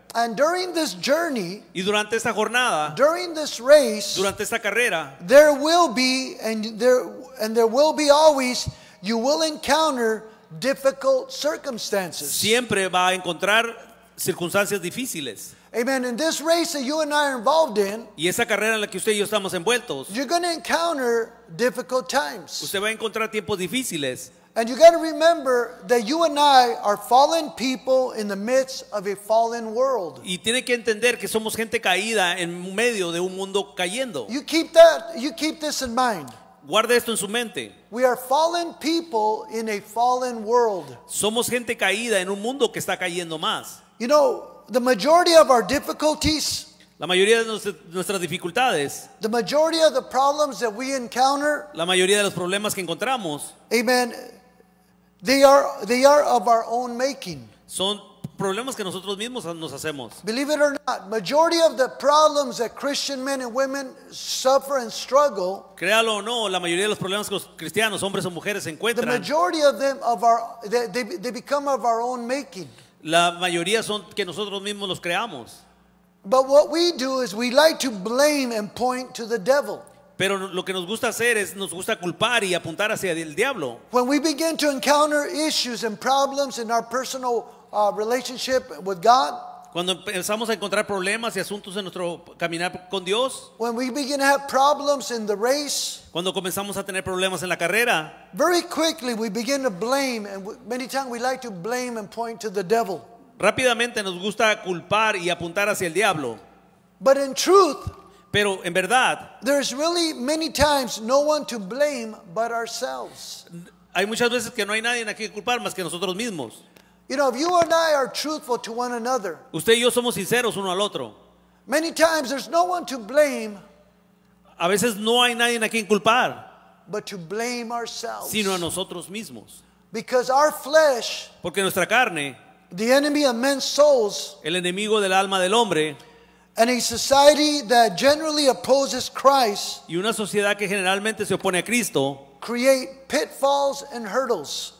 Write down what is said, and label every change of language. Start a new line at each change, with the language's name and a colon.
English: And during this journey,
Spanish: y durante esta jornada,
English: during this race,
Spanish: durante esta carrera,
English: there will be and there will be always, you will encounter difficult circumstances.
Spanish: Siempre va a encontrar circunstancias difíciles.
English: Amen. In this race that you and I are involved in,
Spanish: y esa carrera en la que usted y yo estamos envueltos,
English: you're going to encounter difficult times.
Spanish: Usted va a encontrar tiempos difíciles.
English: And you got to remember that you and I are fallen people in the midst of a fallen world.
Spanish: Y tiene que entender que somos gente caída en medio de un mundo cayendo.
English: You keep this in mind.
Spanish: Guarde esto en su mente.
English: We are fallen people in a fallen world.
Spanish: Somos gente caída en un mundo que está cayendo más.
English: You know, the majority of our difficulties,
Spanish: la mayoría de nuestras dificultades,
English: the majority of the problems that we encounter,
Spanish: la mayoría de los problemas que encontramos,
English: amen, they are of our own making.
Spanish: Son problemas que nosotros mismos nos hacemos.
English: Believe it or not, majority of the problems that Christian men and women suffer and struggle,
Spanish: créalo o no, la mayoría de los problemas que los cristianos, hombres o mujeres, encuentran,
English: the majority of them of our they become of our own making.
Spanish: La mayoría son que nosotros mismos los creamos.
English: But what we do is we like to blame and point to the devil.
Spanish: Pero lo que nos gusta hacer es nos gusta culpar y apuntar hacia el diablo.
English: When we begin to encounter issues and problems in our personal relationship with God,
Spanish: cuando empezamos a encontrar problemas y asuntos en nuestro caminar con Dios,
English: when we begin to have problems in the race,
Spanish: cuando comenzamos a tener problemas en la carrera,
English: very quickly we begin to blame, and many times we like to blame and point to the devil.
Spanish: Rápidamente nos gusta culpar y apuntar hacia el diablo.
English: But in truth,
Spanish: pero en verdad,
English: there is really many times no one to blame but ourselves.
Spanish: Hay muchas veces que no hay nadie a quien culpar más que nosotros mismos.
English: You know, if you and I are truthful to one another,
Spanish: usted y yo somos sinceros uno al otro,
English: many times there's no one to blame,
Spanish: a veces no hay nadie a quien culpar,
English: but to blame ourselves,
Spanish: sino a nosotros mismos.
English: Because our flesh,
Spanish: porque nuestra carne,
English: the enemy of men's souls,
Spanish: el enemigo del alma del hombre,
English: and a society that generally opposes Christ,
Spanish: y una sociedad que generalmente se opone a Cristo,
English: create pitfalls and hurdles,